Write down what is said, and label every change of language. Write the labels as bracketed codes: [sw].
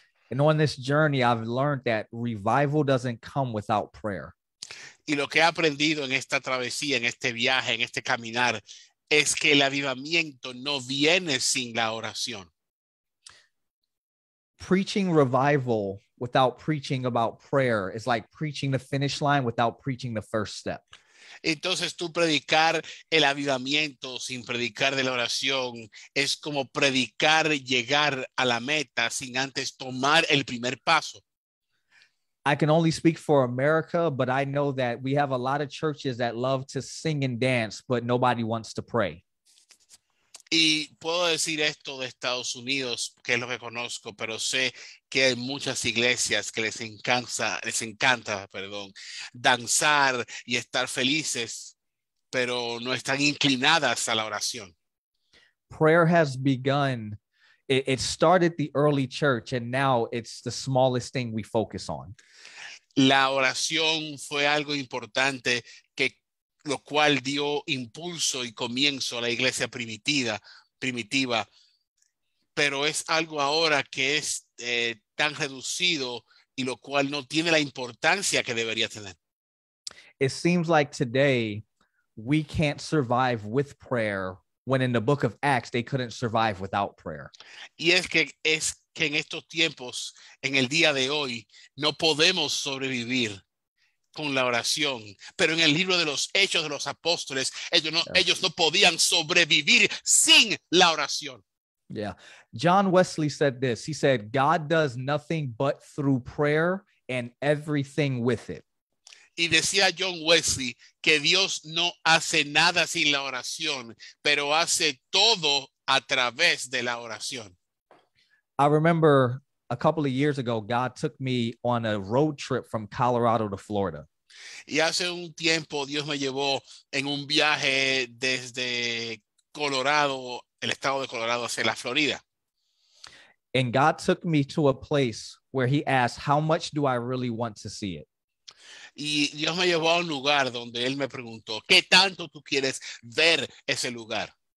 [en] And on this journey, I've learned that revival doesn't come without prayer. [es] Y lo que he aprendido en esta travesía, en este viaje, en este caminar, es que el avivamiento no viene sin la oración. [en] Preaching revival without preaching about prayer is like preaching the finish line without preaching the first step. [es] Entonces, tú predicar el avivamiento sin predicar de la oración es como predicar llegar a la meta sin antes tomar el primer paso. [en] I can only speak for America, but I know that we have a lot of churches that love to sing and dance, but nobody wants to pray. [es] Y puedo decir esto de Estados Unidos, que es lo que conozco, pero sé que hay muchas iglesias que les encanta, danzar y estar felices, pero no están inclinadas a la oración. [en] Prayer has begun. It started the early church, and now it's the smallest thing we focus on. [es] La oración fue algo importante que lo cual dio impulso y comienzo a la iglesia primitiva, pero es algo ahora que es tan reducido y lo cual no tiene la importancia que debería tener. [en] It seems like today we can't survive with prayer when in the book of Acts they couldn't survive without prayer. [es] Y es que en estos tiempos, en el día de hoy, no podemos sobrevivir con la oración, pero en el libro de los Hechos de los Apóstoles, ellos no podían sobrevivir sin la oración. [en] Yeah. John Wesley said this. He said, God does nothing but through prayer and everything with it. [es] Y decía John Wesley que Dios no hace nada sin la oración, pero hace todo a través de la oración. [en] I remember a couple of years ago, God took me on a road trip from Colorado to Florida. [es] Y hace un tiempo, Dios me llevó en un viaje desde Colorado, el estado de Colorado, hacia la Florida. [en] And God took me to a place where he asked, how much do I really want to see it? [es] Y Dios me llevó a un lugar donde él me preguntó, ¿qué tanto tú quieres ver ese lugar?